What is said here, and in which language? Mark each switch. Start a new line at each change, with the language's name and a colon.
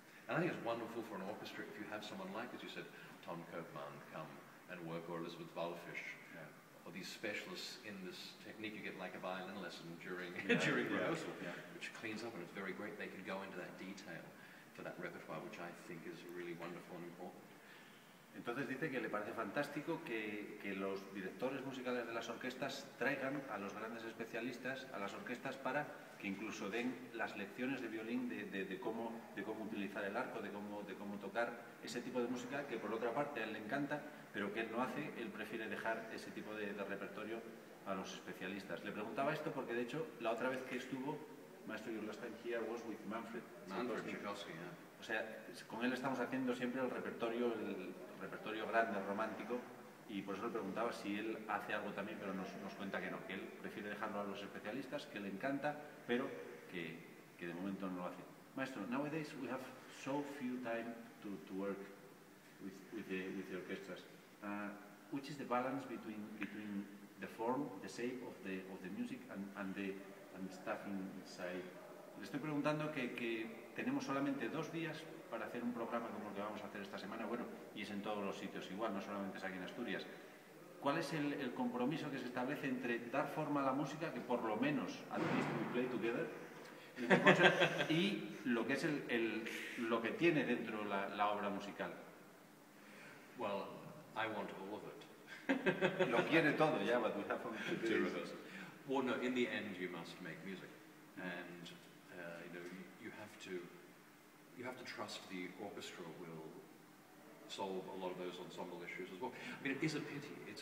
English: And I think it's wonderful for an orchestra if you have someone like, as you said, Tom Koopman come and work, or Elizabeth Wallfisch, or these specialists in this technique. You get like a violin lesson during during rehearsal, which cleans up, and it's very great. They can go into that detail for that repertoire, which I think is really wonderful and important.
Spanish: Entonces dice que le parece fantástico que los directores musicales de las orquestas traigan a los grandes especialistas a las orquestas para que incluso den las lecciones de violín de cómo utilizar el arco, de cómo tocar ese tipo de música que por otra parte a él le encanta, pero que él no hace, él prefiere dejar ese tipo de repertorio a los especialistas. Le preguntaba esto porque de hecho la otra vez que estuvo Maestro,
English: your last time here was with Manfred Tchaikovsky.
Spanish: O sea, con él estamos haciendo siempre el repertorio grande, romántico, y por eso le preguntaba si él hace algo también, pero nos cuenta que no, que él prefiere dejarlo a los especialistas, que le encanta, pero que de momento no lo hace.
English: Maestro, nowadays we have so few time to work with the orchestras. Which is the balance between the form, the shape of the music and stuff inside.
Spanish: Le estoy preguntando que tenemos solamente 2 días para hacer un programa como el que vamos a hacer esta semana, bueno, y es en todos los sitios igual, no solamente es aquí en Asturias. ¿Cuál es el compromiso que se establece entre dar forma a la música, que por lo menos
English: at least we play together,
Spanish: y lo que es lo que tiene dentro la obra musical?
English: Well, I want all of it.
Spanish: Lo quiere todo, ya,
English: but we have to do this. Well, no, in the end, you must make music. And, you know, you have to trust the orchestra will solve a lot of those ensemble issues as well. I mean, it is a pity.